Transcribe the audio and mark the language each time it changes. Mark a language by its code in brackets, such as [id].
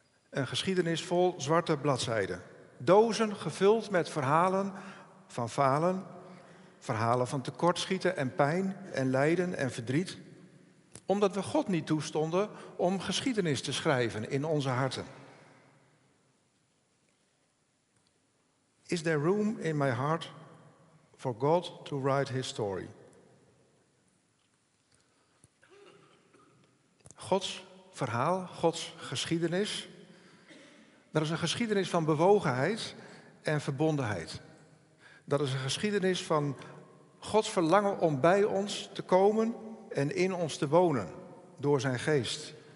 [nl] Een geschiedenis vol zwarte bladzijden. Dozen gevuld met verhalen van falen, verhalen van tekortschieten en pijn en lijden en verdriet, omdat we God niet toestonden om geschiedenis te schrijven in onze harten. [en] Is there room in my heart for God to write his story? [nl] Gods verhaal, Gods geschiedenis, dat is een geschiedenis van bewogenheid en verbondenheid. Dat is een geschiedenis van Gods verlangen om bij ons te komen en in ons te wonen door zijn geest.